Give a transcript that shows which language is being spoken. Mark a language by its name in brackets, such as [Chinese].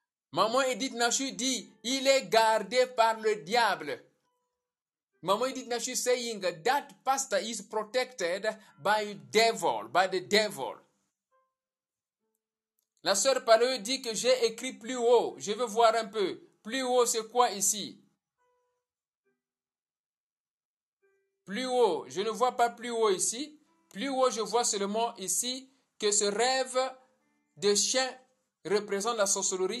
[French] Maman Edith Nashu dit, il est gardé par le diable. [English] Maman Edith Nashu saying that pastor is protected by the devil. [French] La sœur Paléo dit que j'ai écrit plus haut. Je veux voir un peu. Plus haut, c'est quoi ici? Plus haut, je ne vois pas plus haut ici. Plus haut, je vois seulement ici que ce rêve de chien représente la sorcellerie.